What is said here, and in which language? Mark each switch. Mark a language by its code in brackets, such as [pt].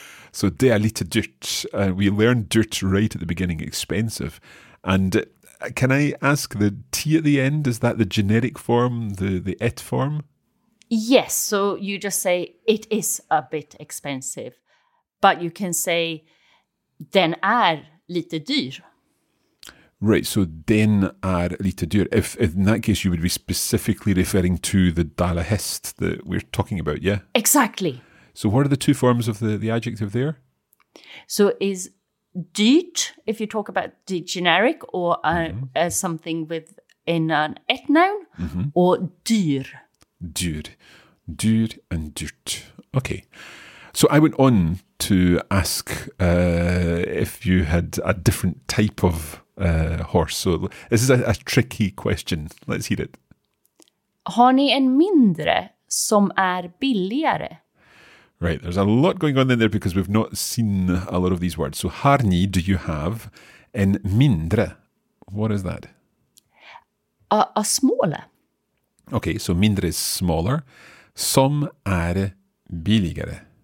[sv] So det är lite dyrt. [en] We learned dyrt right at the beginning, expensive. And can I ask the T at the end, is that the generic form, the et form? Yes, so you just say it is a bit expensive. But you can say [sv] den är lite dyr. Right, so den är lite dyr. [en] If in that case you would be specifically referring to the dalahäst that we're talking about, yeah? Exactly. So what are the two forms of the adjective there? So is dyrt, if you talk about the generic, or something with in an et noun, or dyr? Dyr. Dyr and dyrt. Okay. So I went on to ask if you had a different type of horse. So this is a tricky question. Let's hear it. [sv] Har ni en mindre som är billigare? [en] Right, there's a lot going on in there because we've not seen a lot of these words. So [sv] har ni, [en] do you have, [sv] en mindre, [en] what is that? A smaller. Okay, so mindre is smaller. [sv] Som är billigare.